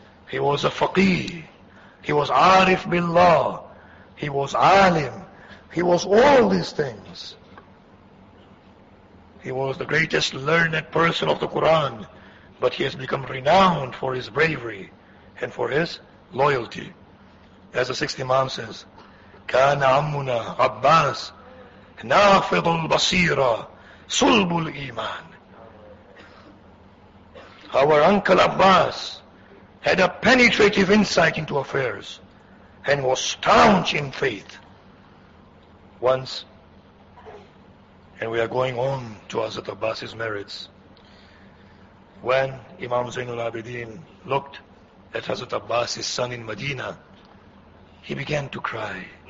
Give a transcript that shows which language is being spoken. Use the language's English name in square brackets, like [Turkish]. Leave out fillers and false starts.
[English] He was a faqih. He was arif billah. He was alim. He was all these things. He was the greatest learned person of the Quran, but he has become renowned for his bravery and for his loyalty. As the sixth Imam says, [Arabic] كان عمنا عباس نافض البصيرة صلب الإيمان. [English] Our uncle Abbas had a penetrative insight into affairs and was staunch in faith. Once, and we are going on to Hazrat Abbas's merits, when Imam Zainul Abidin looked at Hazrat Abbas's son in Medina, he began to cry.